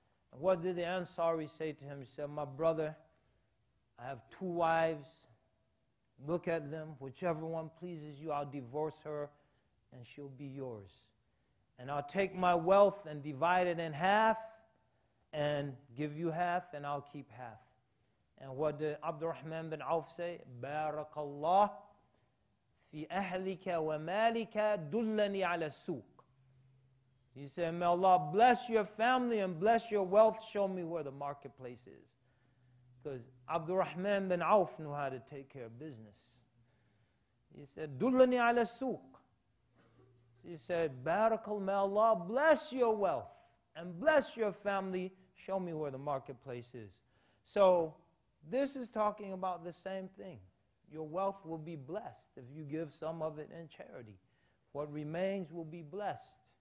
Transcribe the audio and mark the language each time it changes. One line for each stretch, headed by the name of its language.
English: What did the Ansari say to him? He said, my brother, I have two wives. Look at them. Whichever one pleases you, I'll divorce her and she'll be yours. And I'll take my wealth and divide it in half and give you half and I'll keep half. And what did Abdurrahman bin Auf say? Barakallah.
Arabic: في أهلك ومالك دلني على السوق.
English: He said, may Allah bless your family and bless your wealth. Show me where the marketplace is. Because Abdurrahman bin Auf knew how to take care of business. He said,
Arabic: دلني على السوق.
English: He said, Barakal, may Allah bless your wealth and bless your family. Show me where the marketplace is. So this is talking about the same thing. Your wealth will be blessed if you give some of it in charity. What remains will be blessed.